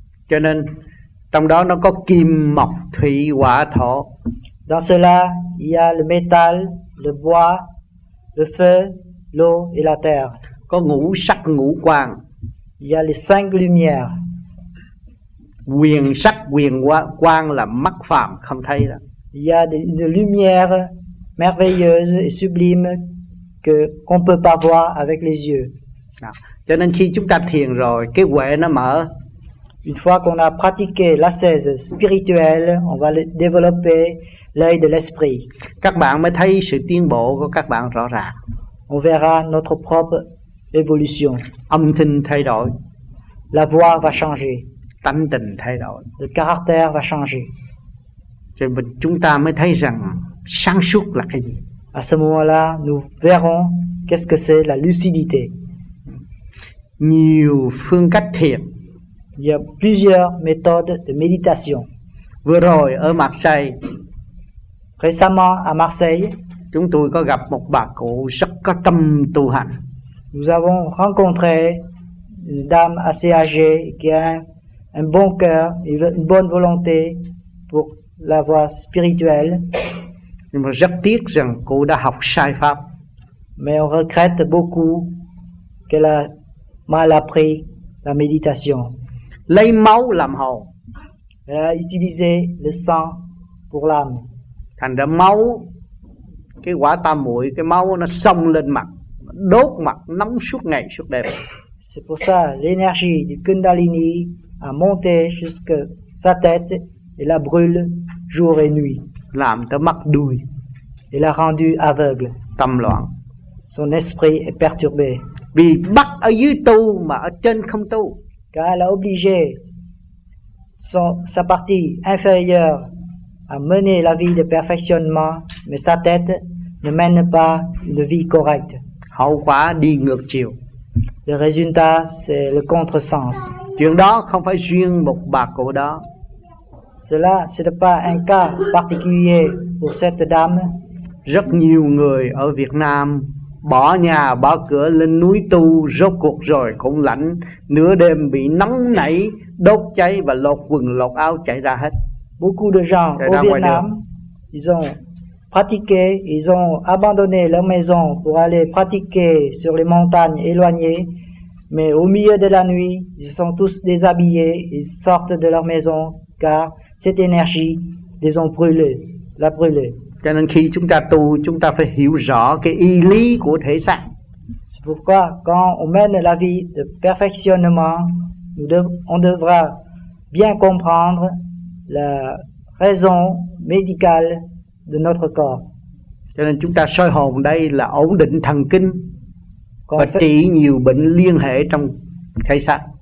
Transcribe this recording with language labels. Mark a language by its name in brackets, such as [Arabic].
[Vietnamese] Cho nên trong đó nó có kim mộc thủy hỏa thổ. [French] Dans cela, il y a le métal, le bois, le feu, l'eau et la terre. [Vietnamese] Có ngũ sắc ngũ quang. [French] Il y a les cinq lumières. [Vietnamese] Quyền sắc quyền quang là mắt phàm không thấy đó. [French] Il y a une lumière merveilleuse et sublime que qu'on peut pas voir avec les yeux. [Vietnamese] À, cho nên khi chúng ta thiền rồi, cái huệ nó mở. [French] Une fois qu'on a pratiqué l'ascèse spirituelle, on va développer l'œil de l'esprit. [Vietnamese] Các bạn mới thấy sự tiến bộ của các bạn rõ ràng. [French] On verra notre propre évolution. [Vietnamese] Âm thanh thay đổi. [French] La voix va changer. [Vietnamese] Tâm tình thay đổi. [French] Le caractère va changer. [Vietnamese] Cho nên chúng ta mới thấy rằng sáng suốt là cái gì. [French] À ce moment-là, nous verrons qu'est-ce que c'est la lucidité. [Vietnamese] Nhiều phương cách thiền. [French] Il y a plusieurs méthodes de méditation. [Vietnamese] Vừa rồi ở Marseille. [French] Récemment à Marseille, [Vietnamese] chúng tôi có gặp một bà cụ rất có tâm tu hành. [French] Nous avons rencontré une dame assez âgée qui a un bon cœur, une bonne volonté pour la voie spirituelle. [Vietnamese] Nhưng mà rất tiếc rằng cô đã học sai pháp. [French] Mais on regrette beaucoup qu'elle a mal appris la méditation. [Vietnamese] Lấy máu làm hồn. [French] Elle a utilisé le sang pour l'âme. [Vietnamese] Thành ra máu, cái quả tam muội, cái máu nó xông lên mặt, đốt mặt nóng suốt ngày suốt đêm. [French] C'est pour ça l'énergie du Kundalini a monté jusque sa tête et la brûle jour et nuit. [Vietnamese] Làm cho mắt đuôi. [French] Et l'a rendu aveugle. [Vietnamese] Tâm loạn. [French] Son esprit est perturbé. [Vietnamese] Vì bắt ở dưới tu mà ở trên không tu. [French] Car elle a obligé sa partie inférieure à mener la vie de perfectionnement, mais sa tête ne mène pas une vie correcte. [Vietnamese] Hậu quả đi ngược chiều. [French] Le résultat, c'est le contresens. [Vietnamese] Chuyện đó không phải riêng một bà cụ đó. [French] Cela, ce n'est pas un cas particulier pour cette dame. [Vietnamese] Rất nhiều người ở Việt Nam bỏ nhà, bỏ cửa lên núi tu, rốt cuộc rồi cũng lạnh, nửa đêm bị nóng nảy, đốt cháy và lột quần, lột áo chạy ra hết. [French] Beaucoup de gens au Vietnam, ils ont pratiqué, ils ont abandonné leur maison pour aller pratiquer sur les montagnes éloignées. Mais au milieu de la nuit, ils sont tous déshabillés, ils sortent de leur maison car cette énergie les ont brûlés, l'a brûlé. [Vietnamese] Cho nên khi chúng ta tu, chúng ta phải hiểu rõ cái y lý của thể xác. [French] C'est pourquoi quand on mène la vie de perfectionnement, on devra bien comprendre la raison médicale de notre corps. [Vietnamese] Cho nên chúng ta soi hồn đây là ổn định thần kinh. Và trị nhiều bệnh liên hệ trong thể xác.